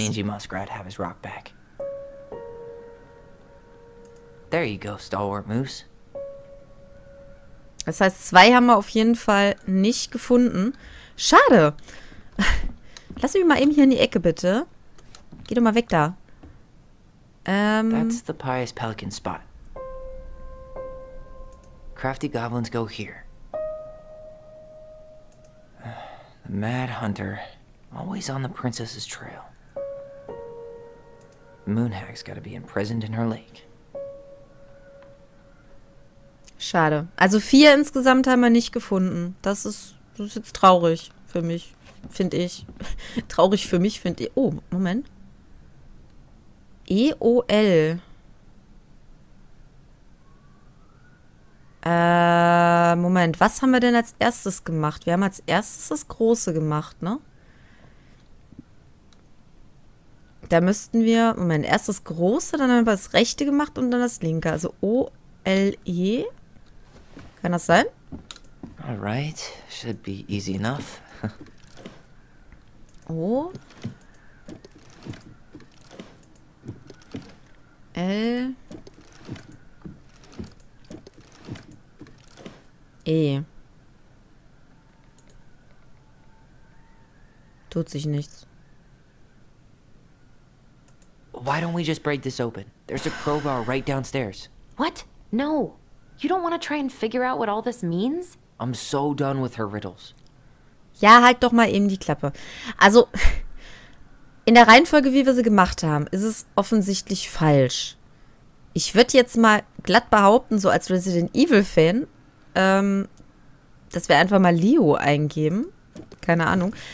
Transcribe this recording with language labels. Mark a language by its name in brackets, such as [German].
[English] mangy muskrat have his rock back. There you go, stalwart moose. [German] Das heißt, zwei haben wir auf jeden Fall nicht gefunden. Schade. Lass mich mal eben hier in die Ecke, bitte. Geh doch mal weg da. [English] That's the pious pelican spot. Crafty goblins go here. The mad hunter, always on the princess's trail. Moonhag's gotta be imprisoned in her lake. [German] Schade. Also vier insgesamt haben wir nicht gefunden. Das ist jetzt traurig für mich, finde ich. Traurig für mich, finde ich. Oh, Moment. EOL. Moment, was haben wir denn als erstes gemacht? Wir haben als erstes das Große gemacht, ne? Da müssten wir. Moment, erst das Große, dann haben wir das Rechte gemacht und dann das Linke. Also OLE. Kann das sein? [English] Alright, should be easy enough. O. L. E. [German] Tut sich nichts. [English] Why don't we just break this open? There's a crowbar right downstairs. What? No. You don't want to try and figure out what all this means? I'm so done with her riddles. [German] Ja, halt doch mal eben die Klappe. Also, in der Reihenfolge, wie wir sie gemacht haben, ist es offensichtlich falsch. Ich würde jetzt mal glatt behaupten, so als Resident Evil-Fan, dass wir einfach mal Leo eingeben. Keine Ahnung.